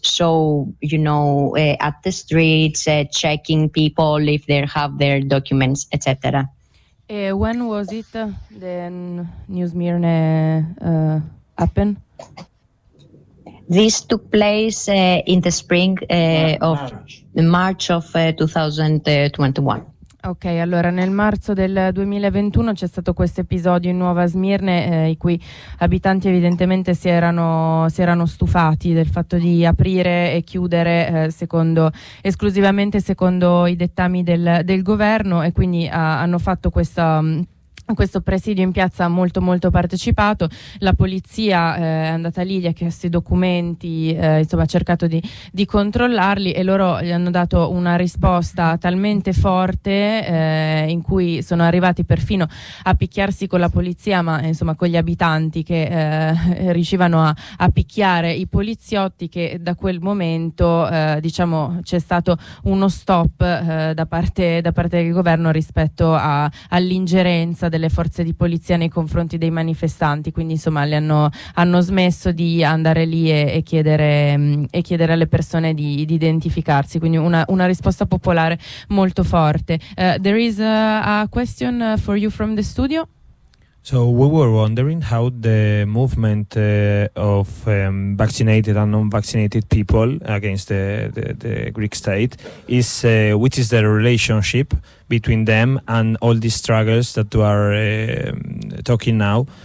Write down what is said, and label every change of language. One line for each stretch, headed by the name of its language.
English: So, you know, at the streets, checking people if they have their documents, etc. When was it the Nea Smyrni happen? This took place in the spring of March of 2021.
Italian: Ok, allora nel marzo del 2021 c'è stato questo episodio in Nuova Smirne i cui abitanti evidentemente si erano stufati del fatto di aprire e chiudere esclusivamente secondo i dettami del governo e quindi hanno fatto questo presidio in piazza molto molto partecipato. La polizia è andata lì, gli ha chiesto i documenti, insomma ha cercato di controllarli e loro gli hanno dato una risposta talmente forte in cui sono arrivati perfino a picchiarsi con la polizia, ma insomma con gli abitanti che riuscivano a picchiare i poliziotti, che da quel momento diciamo c'è stato uno stop da parte del governo rispetto all'ingerenza delle forze di polizia nei confronti dei manifestanti, quindi insomma le hanno smesso di andare lì e chiedere alle persone di identificarsi, quindi una risposta popolare molto forte.
English: There is a question for you from the studio. So we were wondering how the movement of vaccinated and non-vaccinated people against the Greek state is, which is the relationship between them and all these struggles that you are talking now.